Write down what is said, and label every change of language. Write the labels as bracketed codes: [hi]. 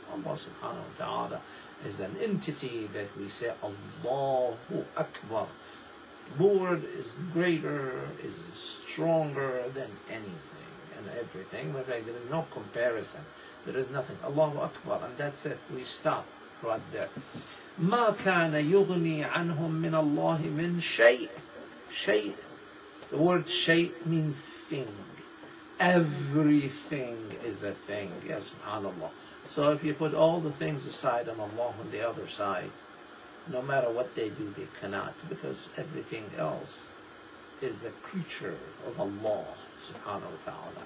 [en] Allah subhanahu wa ta'ala is an entity that we say, Allahu Akbar. Lord is greater, is stronger than anything and everything. In fact, there is no comparison. There is nothing. Allahu Akbar. And that's it. We stop right there. [ar] ما كان يغني عنهم من الله من شيء. شيء. [en] The word شيء means thing. Everything is a thing. Yes, subhanAllah. So if you put all the things aside and Allah on the other side, no matter what they do, they cannot, because everything else is a creature of Allah subhanahu wa ta'ala.